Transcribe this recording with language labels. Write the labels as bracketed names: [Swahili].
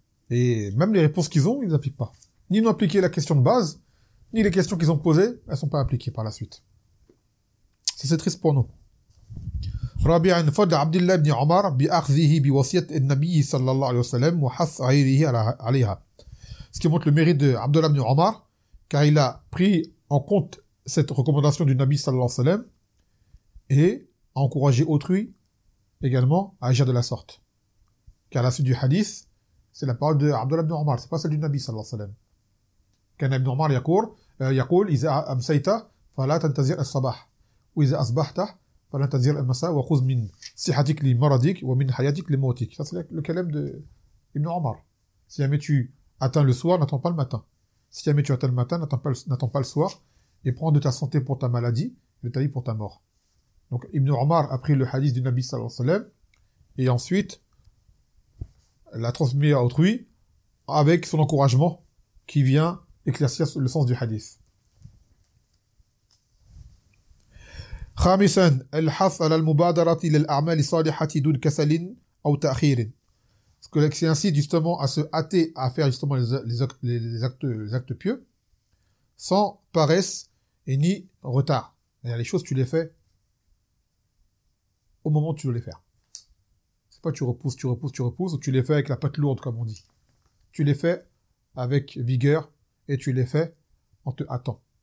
[French] Et même les réponses qu'ils ont, ils n'appliquent pas. Ni ils n'ont appliqué la question de base, ni les questions qu'ils ont posées, elles ne sont pas appliquées par la suite. Ça, c'est triste pour nous. [Arabic] رابعا فضل عبد الله بن عمر بأخذه بوصية النبي صلى الله عليه وسلم وحث غيره عليها. [French] Ce qui montre le mérite de عبد الله بن عمر, car il a pris en compte cette recommandation du Nabi [Arabic] صلى الله عليه وسلم [French] et a encouragé autrui également à agir de la sorte. Car la suite du hadith, c'est la parole de عبد الله بن عمر, c'est pas celle du Nabi [Arabic] صلى الله عليه وسلم. كان ابن عمر يقول يقول إذا أمسيت فلا تنتظر الصباح وإذا أصبحت فَلَنْتَزِيرَ الْمَسَاءَ وَخُزْ مِنْ سِحَتِكْ لِمَرَدِكْ وَمِنْ حَيَاتِكْ لِمَوْتِكْ. [French] Ça, c'est le calème de Ibn Omar. Si jamais tu atteins le soir, n'attends pas le matin. Si jamais tu atteins le matin, n'attends pas le soir. Et prends de ta santé pour ta maladie, de ta vie pour ta mort. Donc Ibn Omar a pris le hadith du Nabi [Arabic] sallallahu alayhi wa sallam, [French] et ensuite l'a transmis à autrui avec son encouragement qui vient éclaircir le sens du hadith. [Arabic] خامسا الحث على المبادرة إلى الأعمال الصالحة دون كسل أو تأخير. [French] Ce que c'est ainsi justement à se hâter à faire justement les actes pieux sans paresse et ni retard. C'est-à-dire les choses tu les fais au moment où tu veux les faire. C'est pas tu repousses ou tu les fais avec la patte lourde comme on dit. Tu les fais avec vigueur et tu les fais en te hâtant.